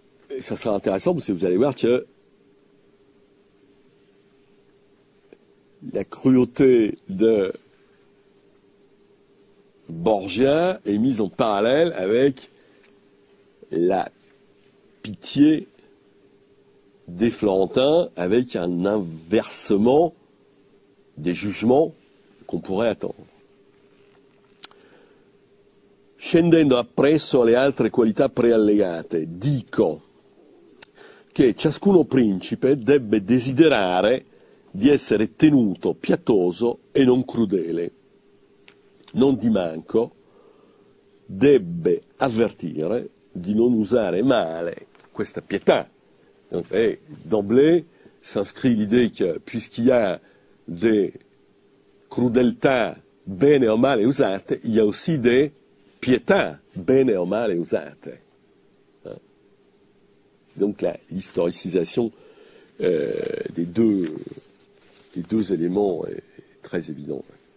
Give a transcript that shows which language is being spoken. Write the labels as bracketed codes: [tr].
[fr] Et ça sera intéressant parce que vous allez voir que la cruauté de Borgia est mise en parallèle avec la pitié des Florentins, avec un inversement des jugements qu'on pourrait attendre. [it] Scendendo appresso alle altre qualità preallegate, dico che ciascuno principe debbe desiderare di essere tenuto pietoso e non crudele. Non di manco, debbe avvertire di non usare male questa pietà. [fr] Et d'emblée, s'inscrit l'idée que puisqu'il y a des crudeltas [it] bene o male usate, [fr] il y a aussi des pietas bene o male usate. Donc l'historicisation des deux éléments est très évidente.